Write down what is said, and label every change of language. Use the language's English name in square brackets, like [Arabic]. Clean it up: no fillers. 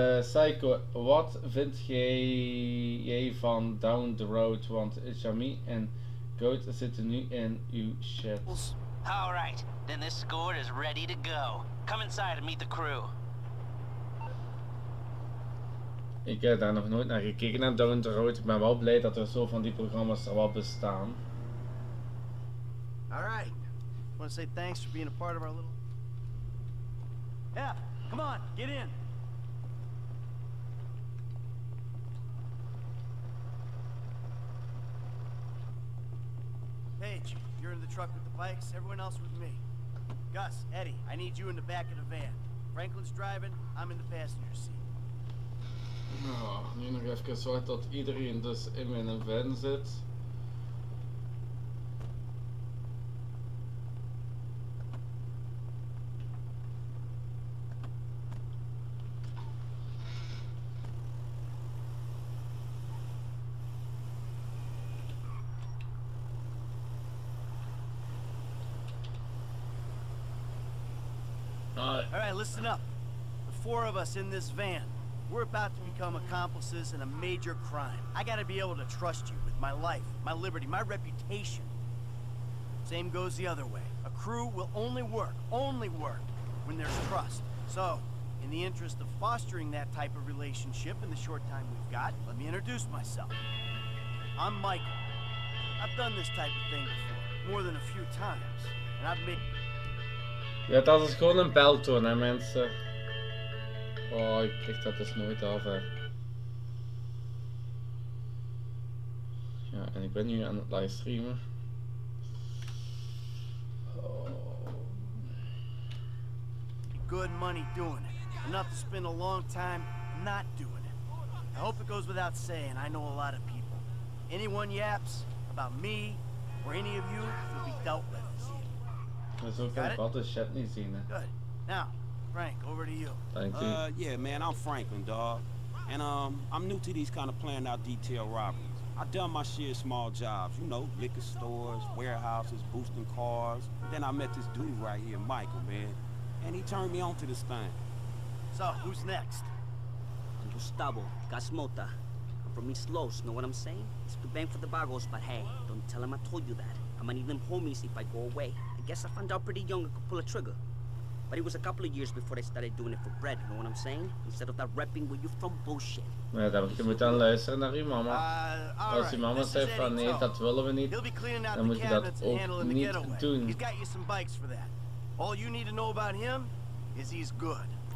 [Dutch] Psycho, wat vind jij van Down the Road? Want Jamie en Goat zitten nu in uw chat. [English] Alright, then this score is ready to go. Come inside and meet the crew. [Dutch] Ik heb daar nog nooit naar gekeken, naar Down the Road. Ik ben wel blij dat er zo van die programma's er wel bestaan. [English] Alright. I want to say thanks for being a part of our little... Yeah, come on, get in. Paige, you're in the truck with the bikes, everyone else with me. Gus, Eddie, I need you in the back of the van. Franklin's driving, I'm in the passenger seat. [Dutch] Nu nog even zorgen dat iedereen dus in mijn van zit. [English] Listen up. The four of us in this van, we're about to become accomplices in a major crime. I gotta be able to trust you with my life, my liberty, my reputation. Same goes the other way. A crew will only work, when there's trust. So, in the interest of fostering that type of relationship in the short time we've got, let me introduce myself. I'm Michael. I've done this type of thing before, more than a few times, and I've made... [Dutch] Ja, dat is gewoon een beltoon, hè, mensen. Oh, ik krijg dat dus nooit af, hè. Ja, en ik ben nu aan het livestreamen. Oh. [English] Good money doing it. Enough to spend a long time not doing it. I hope it goes without saying, I know a lot of people. Anyone yaps about me or any of you will be dealt with. [Dutch] Dat is ook een batte chat niet zien, hè. [English] Good. Now, Frank, over to you. Thank you. Yeah, man, I'm Franklin, dog. And I'm new to these kind of planned out detail robberies. I done my shit small jobs, you know, liquor stores, warehouses, boosting cars. But then I met this dude right here, Michael, man. And he turned me on to this thing. So, who's next? I'm Gustavo Gasmota. I'm from East Los, know what I'm saying? It's the bank for the bagos, but hey, don't tell him I told you that. I'm gonna need them homies if I go away. Guess I found out pretty young I could pull a trigger. But it was a couple of years before they started doing it for bread, you know what I'm saying? Instead of that rapping where you from bullshit. [Dutch] Nee, dan moet je dan luisteren naar je mama. Als je mama zei van nee, dat willen we niet, dan moet je dat ook niet doen. [English] He's got you some bikes for that. All you need to know about him is he's good.